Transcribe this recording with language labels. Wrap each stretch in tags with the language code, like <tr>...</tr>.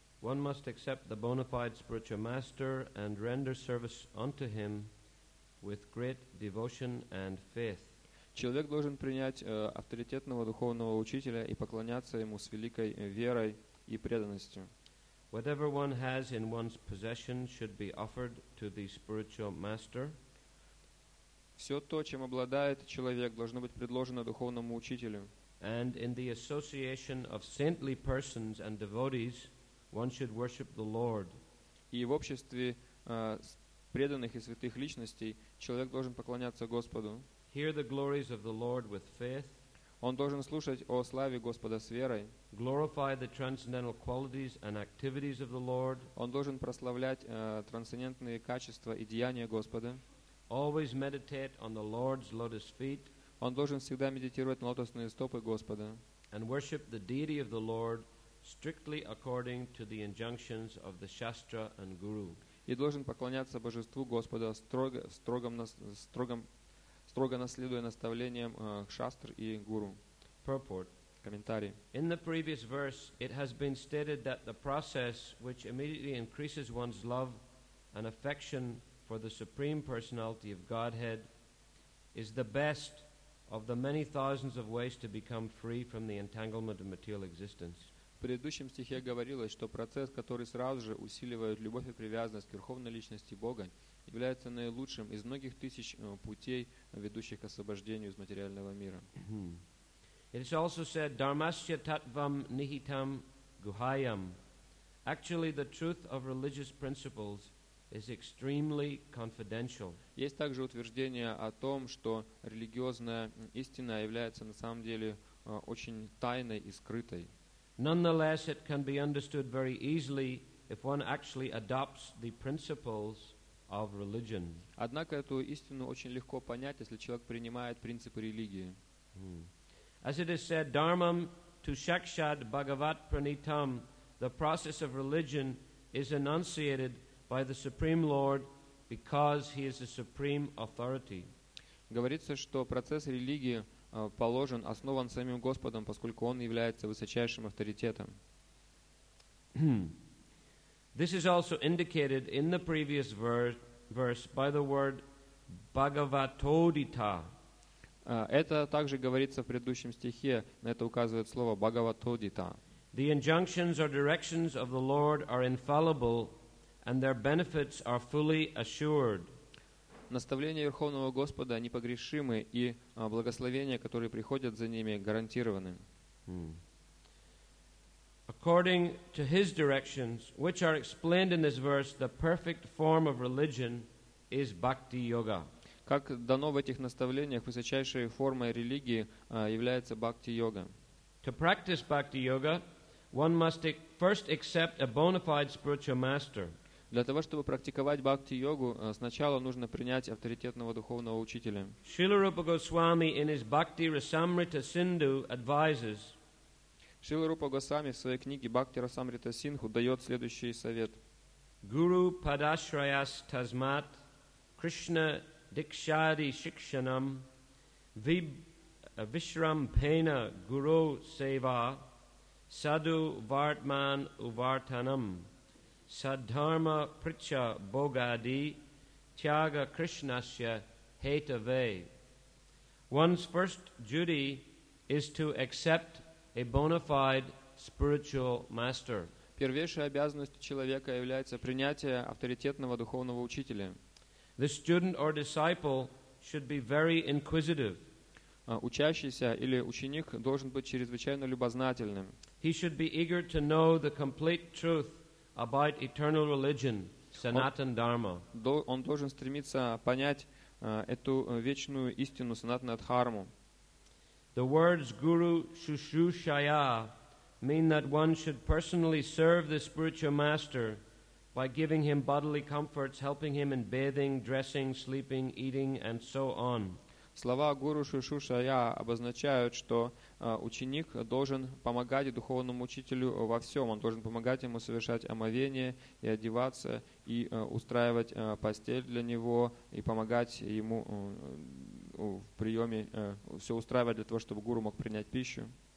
<en>One must accept the bona fide spiritual master and render service unto him with great devotion and faith.</en> <ru>Человек должен принять авторитетного духовного учителя и поклоняться ему с великой верой и преданностью.</ru> <en>Whatever one has in one's possession should be offered to the spiritual master.</en> <ru>Все то, чем обладает человек, должно быть предложено духовному учителю.</ru> <en>And in the association of saintly persons and devotees, one should worship the Lord.</en> <ru>И в обществе преданных и святых личностей человек должен поклоняться Господу.</ru> <en>Hear the glories of the Lord with faith.</en> <ru>Он должен слушать о славе Господа с верой.</ru> <en>Glorify the transcendental qualities and activities of the Lord.</en> <ru>Он должен прославлять трансцендентные качества и деяния Господа.</ru> <en>Always meditate on the Lord's lotus feet.</en> <ru>Он должен всегда медитировать на лотосные стопы Господа.</ru> <en>And worship the deity of the Lord strictly according to the injunctions of the Shastra and Guru.</en> <ru>И должен поклоняться божеству Господа строго наследуя наставлениям Шастр и Гуру.</ru> <en>Purport.</en> <ru>Комментарий.</ru> <en>In the previous verse it has been stated that the process which immediately increases one's love and affection for the Supreme Personality of Godhead is the best of the many thousands of ways to become free from the entanglement of material existence.</en> <ru>В предыдущем стихе говорилось, что процесс, который сразу же усиливает любовь и привязанность к Верховной Личности Бога, является наилучшим из многих тысяч путей, ведущих к освобождению из материального мира.</ru> <en>It is also said,</en> <sa>Dharmasya tattvam nihitam guhayam.</sa> <en>Actually, the truth of religious principles is extremely confidential.</en> <ru>Есть также утверждение о том, что религиозная истина является на самом деле очень тайной и скрытой.</ru> <en>Nonetheless, it can be understood very easily if one actually adopts the principles of religion.</en> <ru>Однако эту истину очень легко понять, если человек принимает принципы религии.</ru> <en>As it is said,</en> <sa>dharmam tu shakshad bhagavat pranitam,</sa> <en>the process of religion is enunciated by the Supreme Lord because he is the supreme authority.</en> <ru>Говорится, что процесс религии положен, основан самим Господом, поскольку Он является высочайшим авторитетом.</ru> <en>This is also indicated in the previous verse by the word Bhagavatodita.</en> <ru>Это также говорится в предыдущем стихе, на это указывает слово Bhagavatodita.</ru> <en>The injunctions or directions of the Lord are infallible and their benefits are fully assured.</en> <ru>Наставления Верховного Господа непогрешимы, и благословения, которые приходят за ними, гарантированы.</ru> <en>According to his directions, which are explained in this verse, the perfect form of religion is bhakti-yoga.</en> <ru>Как дано в этих наставлениях, высочайшей формой религии является бхакти-йога.</ru> <en>To practice bhakti-yoga, one must first accept a bona fide spiritual master.</en> <ru>Для того, чтобы практиковать бхакти-йогу, сначала нужно принять авторитетного духовного учителя.</ru> <en>Шрила Рупа Госвами in his Bhakti Rasamrita Sindhu advises.</en> <ru>Шрила Рупа Госвами в своей книге Бхакти Расамрита Синху дает следующий совет.</ru> <sa>Гуру Падашраяс Тазмат Кришна Дикшади Шикшанам Вишрам Пена Гуру Сева Саду Вартман Увартанам Саддхарма Прича Богади Тяга Кришнасья Хетаве.</sa> <en>One's first duty is to accept a bona fide spiritual master.</en> <ru>Первейшей обязанностью человека является принятие авторитетного духовного учителя.</ru> <en>The student or disciple should be very inquisitive.</en> <ru>Учащийся или ученик должен быть чрезвычайно любознательным.</ru> <en>He should be eager to know the complete truth about eternal religion, Sanatana Dharma.</en> <ru>Он должен стремиться понять эту вечную истину, Санатана Дхарму.</ru> <en>The words Guru Shushushaya mean that one should personally serve the spiritual master by giving him bodily comforts, helping him in bathing, dressing, sleeping, eating, and so on.</en> <ru>Слова Гуру Шушушая обозначают, что ученик должен помогать духовному учителю во всем. Он должен помогать ему совершать омовение и одеваться, и устраивать постель для него, и помогать ему в приеме, все устраивать для того, чтобы гуру мог принять пищу.</ru>